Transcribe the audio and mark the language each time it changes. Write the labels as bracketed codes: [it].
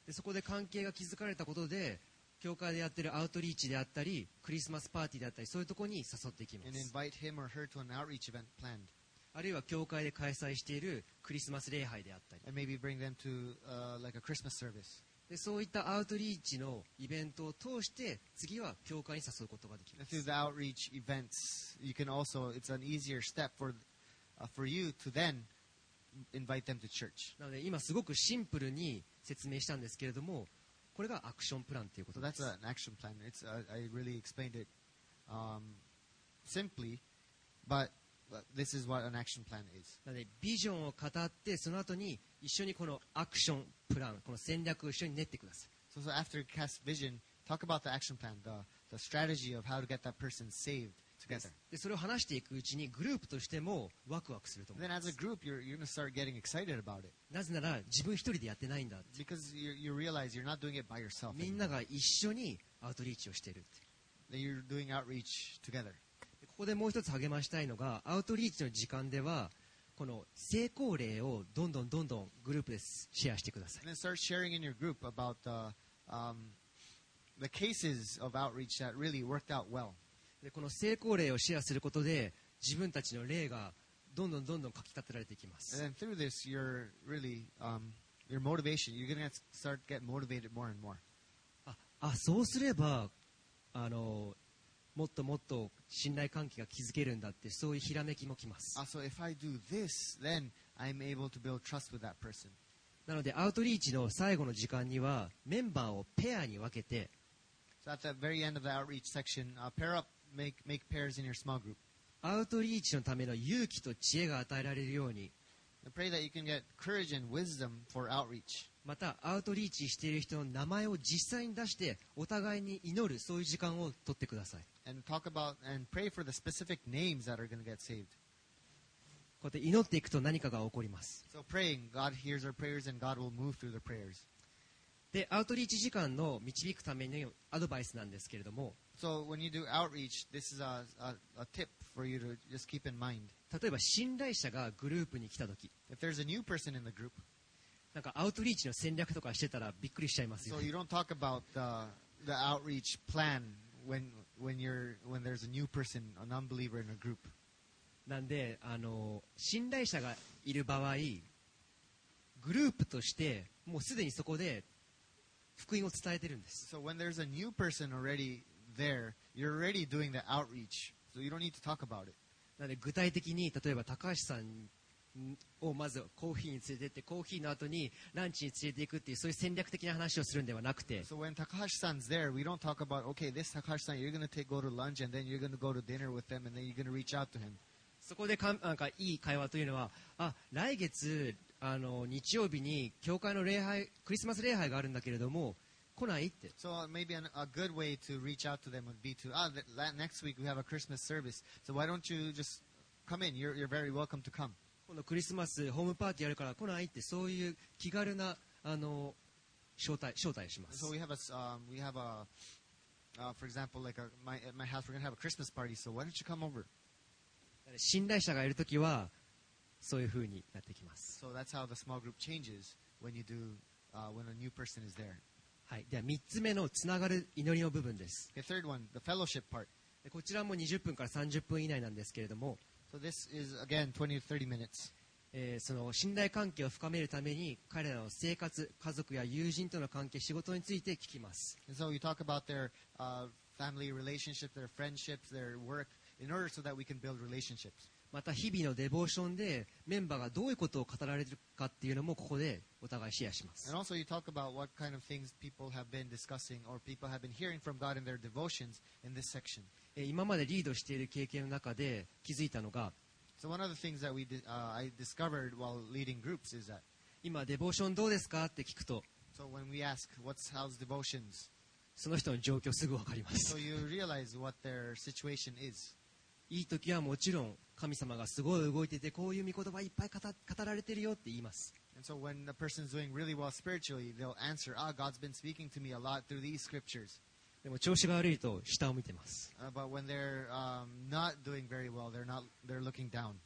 [ja] でそこで関係が築かれたことで教会でやってるアウトリーチであったりクリスマスパーティーであったりそういうところに誘っていきます。 [en] And invite him or her to an outreach event planned. [ja] あるいは教会で開催しているクリスマス礼拝であったり [en] And maybe bring them to, like a Christmas service. [ja] でそういったアウトリーチのイベントを通して次は教会に誘うことができます。 [en] And through the outreach events, you can also, it's an easier step for, for you to then invite them to church. [ja] なので今すごくシンプルに説明したんですけれどもこれがアクションプランということです。 [en] So that's an action plan. It's, I really explained it, simply, butThis is what an action plan is. [ja] なのでビジョンを語ってその後に一緒にこのアクションプランこの戦略を一緒に練ってください。 [en] So, so after you cast vision, talk about the action plan, the strategy of how to get that person saved together. [ja] でそれを話していくうちにグループとしてもワクワクすると思います。 [en] Then as a group, you're going to start getting excited about it. [ja] なぜなら自分一人でやってないんだ。 [en] Because you realize you're not doing it by yourself. [ja] みんなが一緒にアウトリーチをしているって。 [en] Then you're doing outreach together. [ja] ここでもう一つ励ましたいのがアウトリーチの時間ではこの成功例をどんどんどんどんグループでシェアしてください。 [en] And then start sharing in your group about the, the cases of outreach that really worked out well. [ja] でこの成功例をシェアすることで自分たちの例がどんどんどんどんかき立てられていきます。 [en] And then through this you're really, your motivation, you're going to start get motivated more and more. [ja] そうすればあのもっともっと信頼関係が築けるんだってそういうひらめきもきます。 [en] So if I do this, then I'm able to build trust with that person. [ja] なのでアウトリーチの最後の時間にはメンバーをペアに分けて。 [en] So at the very end of the outreach section, pair up, make pairs in your small group. [ja] アウトリーチのための勇気と知恵が与えられるように。 [en] I pray that you can get courage and wisdom for outreach. [ja] またアウトリーチしている人の名前を実際に出してお互いに祈るそういう時間を取ってください。 [en] And talk about and pray for the specific names that are going to get saved. [ja] こうやって祈っていくと何かが起こります。 [en] So praying, God hears our prayers and God will move through the prayers. [ja] で、アウトリーチ時間の導くためのアドバイスなんですけれども [en] So when you do outreach, this is a tip for you to just keep in mind. [ja] 例えば信頼者がグループに来たとき [en] If there's a new person in the group, [ja] なんかアウトリーチの戦略とかしてたらびっくりしちゃいますよ。 [en] So you don't talk about the outreach plan when there's a new person, an unbeliever in a group. [ja] なんで、信頼者がいる場合、グループとしてもうすでにそこで福音を伝えてるんです。 [en] So when there's a new person already there, you're already doing the outreach. So you don't need to talk about it. [ja] なので具体的に例えば高橋さんをまずコーヒーに連れてって、コーヒーの後にランチに連れていくっていうそういう戦略的な話をするんではなくて、 [en] So when 高橋さん is there, we don't talk about, okay, this 高橋さん, you're going to go to lunch and then you're going to go to dinner with them and then you're going to reach out to him. [ja] そこでかなんかいい会話というのは、あ、来月あの日曜日に教会の礼拝、クリスマス礼拝があるんだけれども来ないって。 [en] So maybe a good way to reach out to them would be to, next week we have a Christmas service, so why don't you just come in? You're very welcome to come. [ja] 今度クリスマスホームパーティーやるから来ないって、そういう気軽なあの招待します。 [en] So we have a, for example, like at my house, we're gonna have a Christmas party, so why don't you come over? [ja] 信頼者がいるときはそういう風になってきます。 [en] So that's how the small group changes when you do, when a new person is there. [ja] はい、では3つ目のつながる祈りの部分です。 [en] The third one, the fellowship part. [ja] でこちらも20分から30分以内なんですけれども、 [en] So this is again 20 to 30 minutes. [ja] その信頼関係を深めるために彼らの生活、家族や友人との関係、仕事について聞きます。 [en] And so you talk about their family relationship, their friendships, their work, in order so that we can build relationships. [ja] また日々のデボーションでメンバーがどういうことを語られるかっていうのもここでお互いシェアします。 [en] And also you talk about what kind of things people have been discussing or people have been hearing from God in their devotions in this section. [ja] 今までリードしている経験の中で気づいたのが、 [en] So one of the things that we I discovered while leading groups is that [ja] 今デボーションどうですかって聞くと、 [en] So when we ask what's how's devotions, [ja] その人の状況すぐ分かります。 [en] So you realize what their situation is. [ja] いい時はもちろん神様がすごい動いてて、こういう御言葉いっぱい語られてるよって言います。 [en] And so when the person is doing really well spiritually, they'll answer, ah, God's been speaking to me a lot through these scriptures. [ja] でも調子が悪いと下を見てます。 [en] But when they're not doing very well, they're looking down.